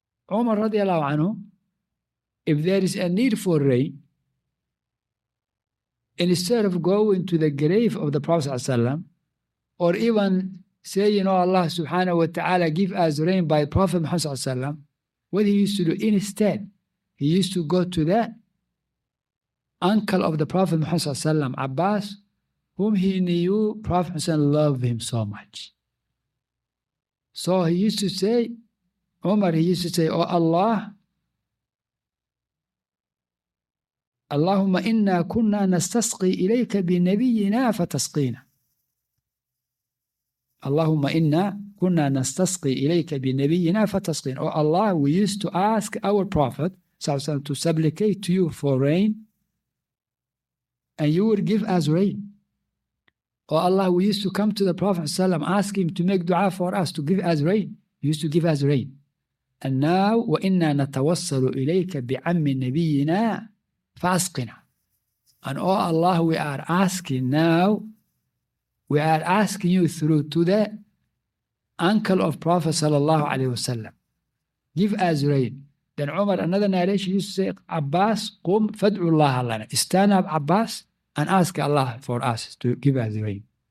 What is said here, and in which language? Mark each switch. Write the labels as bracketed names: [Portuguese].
[English] Umar radiallahu anhu, if there is a need for rain, instead of going to the grave of the Prophet ﷺ, or even saying, oh Allah subhanahu wa ta'ala, give us rain by Prophet Muhammad ﷺ, what he used to do instead, he used to go to the uncle of the Prophet Muhammad ﷺ, Abbas, whom he knew Prophet Muhammad ﷺ loved him so much. So he used to say, Umar, he used to say, oh Allah, [Arabic] اللهم إنا كنا نستسقي إليك بنبينا فتسقينا. اللهم إنا كنا نستسقي إليك بنبينا فتسقينا. [English] Oh Allah, we used to ask our Prophet to supplicate to you for rain, and you would give us rain. Oh Allah, we used to come to the Prophet ﷺ, ask him to make dua for us to give us rain. He used to give us rain. And now, [Arabic] وإنا نتوصل إليك بعم نبينا فَأَسْقِنَا. [English] And oh Allah, we are asking now, we are asking you through to the uncle of Prophet sallallahu alayhi wa sallam, give us rain. Then Umar, another narration, used to say, Abbas, [Arabic] قُمْ فَدْعُوا اللَّهَ لَنَا. [English] Stand up, Abbas, and ask Allah for us to give us rain.